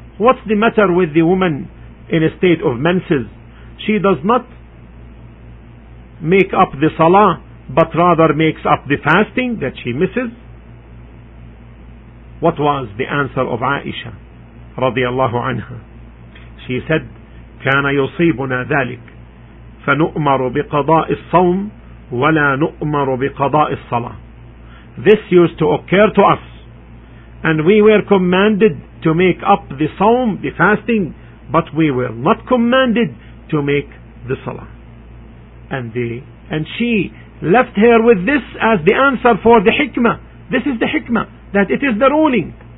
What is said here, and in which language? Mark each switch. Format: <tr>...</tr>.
<en>What's the matter with the woman in a state of menses? She does not make up the salah, but rather makes up the fasting that she misses. What was the answer of Aisha radiallahu anha?</en> <ar>She said, كان يصيبنا ذلك فنؤمر بقضاء الصوم ولا نؤمر بقضاء الصلاة.</ar> <en>This used to occur to us, and we were commanded to make up the sawm, the fasting, but we were not commanded to make the salah. And she left her with this as the answer for the hikmah. This is the hikmah, that it is the ruling.</en>